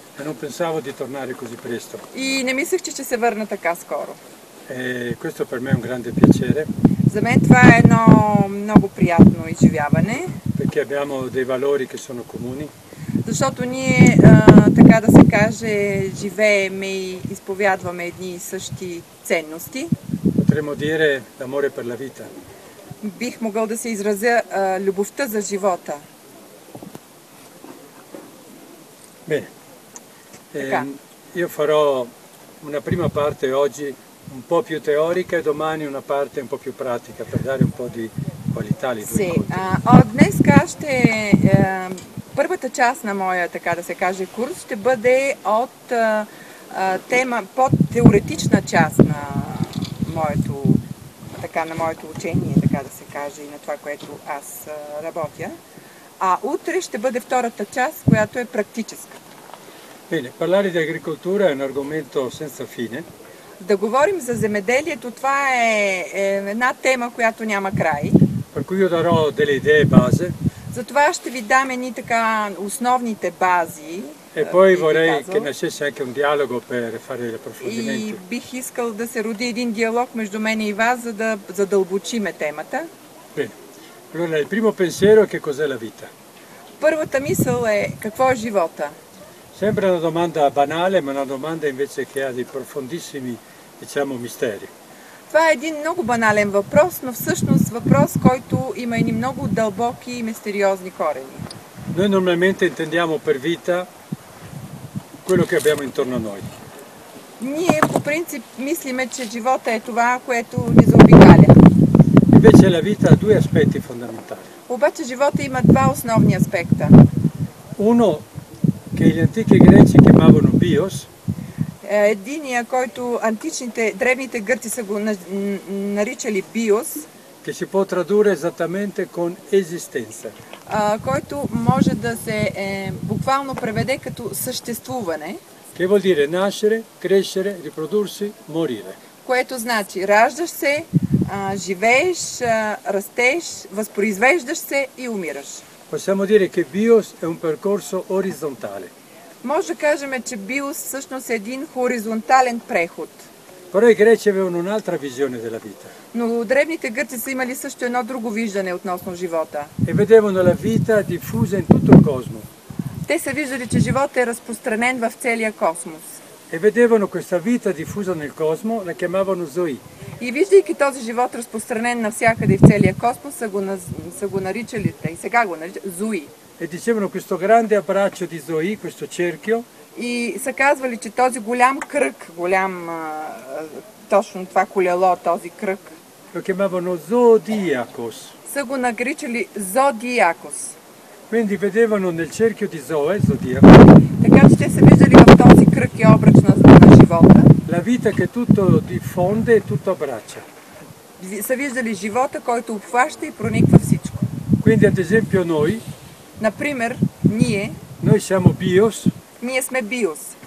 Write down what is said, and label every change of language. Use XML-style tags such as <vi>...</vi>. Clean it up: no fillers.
<it>Non pensavo di tornare così presto.</it> <bg>И не мислех, че ще се върна така скоро.</bg> <it>Questo per me è un grande piacere.</it> <bg>За мен това е едно много приятно изживяване.</bg> <it>Perché abbiamo dei valori che sono comuni.</it> <bg>Защото ние, така да се каже, живеем и изповядваме едни и същи ценности.</bg> <it>Potremmo dire l'amore per la vita.</it> <bg>Бих могъл да се изразя любовта за живота.</bg> <it>Bene. Io farò una prima parte oggi un po' più teorica e domani una parte un po' più pratica per dare un po' di qualità ai due incontri.</it> <bg>Днеска ще първата част на моя, така да се каже, курс ще бъде от тема по-теоретична част на моето, така, на моето учение, така да се каже, и на това, което аз работя. А утре ще бъде втората част, която е практическа.</bg> <it>Bene, parlare di agricoltura è un argomento senza fine.</it> <bg>Да говорим за земеделието, това е една тема, която няма край.</bg> <it>Per cui io darò delle idee base.</it> <bg>Затова ще ви дам едни така основните бази.</bg> <it>E poi vorrei che nascesse anche un dialogo per fare gli approfondimenti.</it> <bg>И бих искал да се роди един диалог между мен и вас, за да задълбочиме темата.</bg> <it>Bene. Allora, il primo pensiero è che cos'è la vita?</it> <bg>Първата мисъл е какво е живота?</bg> <it>Sembra una domanda banale, ma una domanda invece che ha dei profondissimi, diciamo, misteri.</it> <bg>Това е един много банален въпрос, но всъщност въпрос, който има и много дълбоки и мистериозни корени.</bg> <it>Noi normalmente intendiamo per vita quello che abbiamo intorno a noi.</it> <bg>Ние по принцип мислиме, че живота е това, което ни заобикаля.</bg> <it>Invece la vita ha due aspetti fondamentali.</it> <bg>Обаче живота има два основни аспекта.</bg> <it>Uno che gli antichi greci chiamavano bios.</it> <bg>Единия, който античните, древните гърци са го наричали bios,</bg> <it>che si può tradurre esattamente con esistenza.</it> <bg>Който може да се буквално преведе като съществуване.</bg> <it>Che vuol dire nascere, crescere, riprodursi, morire.</it> <bg>Което значи раждаш се, живееш, растеш, възпроизвеждаш се и умираш.</bg> <it>Possiamo dire che bios è un percorso orizzontale.</it> <bg>Може да кажем, че bios всъщност е един хоризонтален преход.</bg> <it>Però i greci avevano un'altra visione della vita.</it> <bg>Но древните гърци са имали също едно друго виждане относно живота.</bg> <it>E vedevano la vita diffusa in tutto il cosmo.</it> <bg>Те са виждали, че живота е разпространен в целия космос.</bg> <it>E vedevano questa vita diffusa nel cosmo, la chiamavano Zoe.</it> <bg>И виждайки този живот разпространен навсякъде и в целия космос, са го наричали, и сега го наричат Зои.</bg> <it>E dicevano questo grande abbraccio di Zoe, questo cerchio.</it> <bg>И са казвали, че този голям кръг, голям, точно това колело, този кръг.</bg> <it>Lo chiamavano Zodiacos.</it> <bg>Са го наричали Zodiacos.</bg> <it>Quindi vedevano nel cerchio di Zoe, Zodiacos.</it> <bg>Така че са виждали в този кръг и образ на живота.</bg> <it>La vita che tutto diffonde e tutto abbraccia.</it> <bg>Са виждали живота, който обхваща и прониква всичко.</bg> <it>Quindi ad esempio noi.</it> <bg>Например, ние.</bg> <it>Noi siamo bios.</it> <bg>Ние сме bios.</bg>